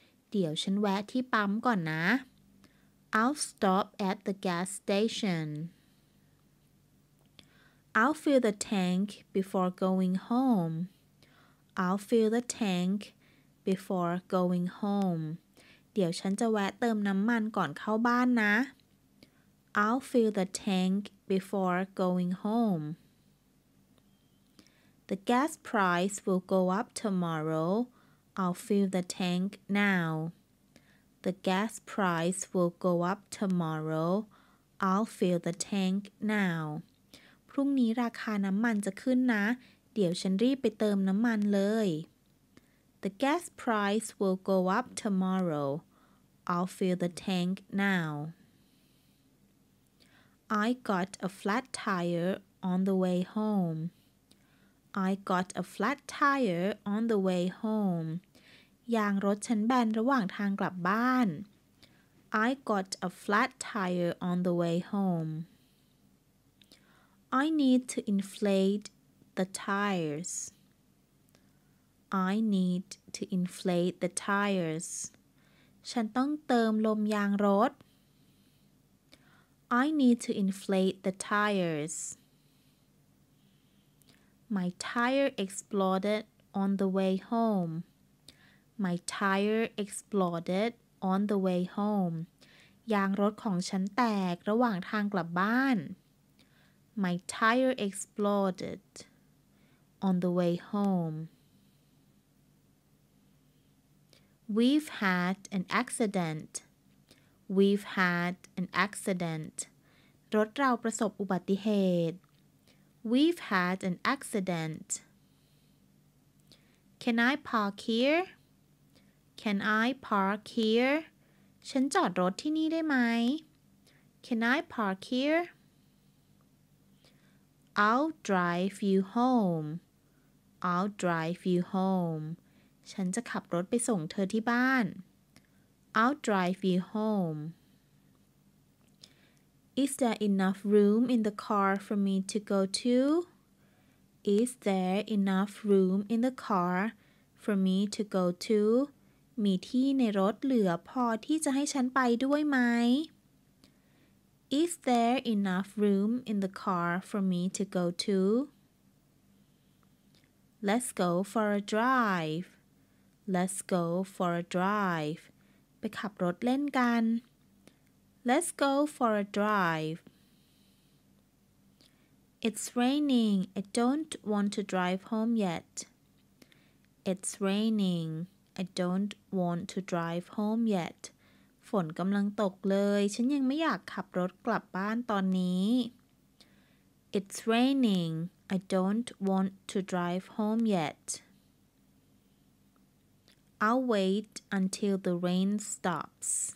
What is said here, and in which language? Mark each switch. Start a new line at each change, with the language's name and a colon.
Thai: เดี๋ยวฉันแวะที่ปั๊มก่อนนะ
English: I'll stop at the gas station. I'll fill the tank before going home. I'll fill the tank before going home.
Thai: เดี๋ยวฉันจะแวะเติมน้ำมันก่อนเข้าบ้านนะ
English: I'll fill the tank before going home. The gas price will go up tomorrow. I'll fill the tank now. The gas price will go up tomorrow. I'll fill the tank now.
Thai: พรุ่งนี้ราคาน้ำมันจะขึ้นนะเดี๋ยวฉันรีบไปเติมน้ำมันเลย
English: The gas price will go up tomorrow. I'll fill the tank now. I got a flat tire on the way home. I got a flat tire on the way home.
Thai: ยางรถฉันแบนระหว่างทางกลับบ้าน
English: I got a flat tire on the way home. I need to inflate the tires. I need to inflate the tires.
Thai: ฉันต้องเติมลมยางรถ
English: I need to inflate the tires. My tire exploded on the way home. My tire exploded on the way home.
Thai: ยางรถของฉันแตกระหว่างทางกลับบ้าน
English: My tire exploded on the way home. We've had an accident. We've had an accident.
Thai: รถเราประสบอุบัติเหตุ
English: We've had an accident. Can I park here? Can I park here?
Thai: ฉันจอดรถที่นี่ได้ไหม
English: Can I park here? I'll drive you home. I'll drive you home.
Thai: ฉันจะขับรถไปส่งเธอที่บ้าน
English: I'll drive you home. Is there enough room in the car for me to go to? Is there enough room in the car for me to go to?
Thai: มีที่ในรถเหลือพอที่จะให้ฉันไปด้วยไหม
English: Is there enough room in the car for me to go to? Let's go for a drive. Let's go for a drive.
Thai: ไปขับรถเล่นกัน
English: Let's go for a drive. It's raining. I don't want to drive home yet. It's raining.I don't want to drive home yet.
Thai: ฝนกำลังตกเลยฉันยังไม่อยากขับรถกลับบ้านตอนนี้
English: It's raining. I don't want to drive home yet. I'll wait until the rain stops.